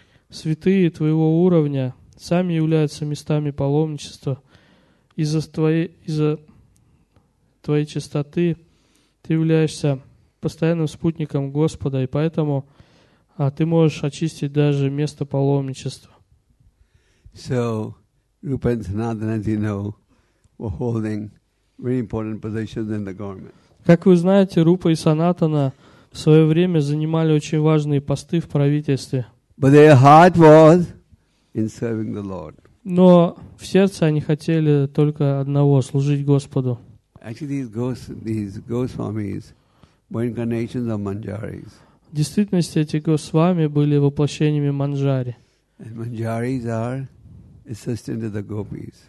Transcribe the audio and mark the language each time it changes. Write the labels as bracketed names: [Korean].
[Russian] Святые Твоего уровня сами являются местами паломничества. Из-за Твоей чистоты Ты являешься постоянным спутником Господа, и поэтому Ты можешь очистить даже место паломничества." [English] So Rupa and Sanatana, as you know, were holding very important positions in the government. [Russian] Как вы знаете, Рупа и Санатана в свое время занимали очень важные посты в правительстве. [English] But their heart was in serving the Lord. [Russian] Но в сердце они хотели только одного – служить Господу. [English] Actually, these Goswamis were incarnations of Manjaris. [Russian] В действительности, эти Госвами были воплощениями Манджари. [English] And Manjaris are assistant to the gopis.